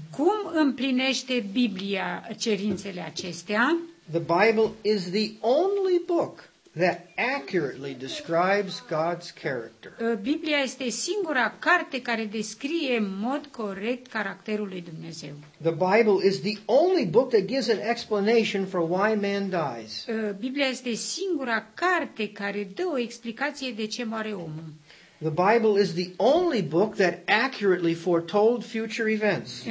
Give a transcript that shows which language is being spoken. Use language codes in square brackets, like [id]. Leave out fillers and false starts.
[ro] Cum împlinește Biblia cerințele acestea? [en] The Bible is the only book that accurately describes God's character. [ro] Biblia este singura carte care descrie în mod corect caracterul lui Dumnezeu. [en] The Bible is the only book that gives an explanation for why man dies. [ro] Biblia este singura carte care dă o explicație de ce moare omul. [en] The Bible is the only book that accurately foretold future events.